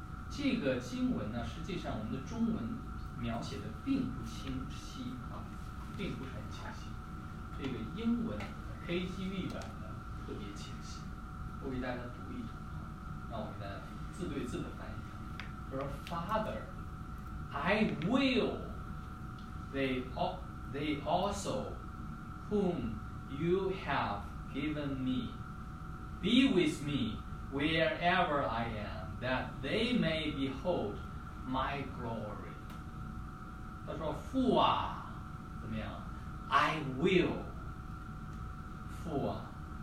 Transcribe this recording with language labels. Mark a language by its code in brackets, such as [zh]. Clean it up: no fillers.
[zh] 这个经文呢，实际上我们的中文描写的并不清晰啊，并不是很清晰。这个英文 KGV 版特别清晰，我给大家读一读，让我给大家字对字的翻译。他说 [en] ：“Father, I will. They also, whom you have given me, be with me wherever I am, that they may behold my glory.” [zh] 他说：“父啊，怎么样 ？ [en] I will. [zh] 父啊。”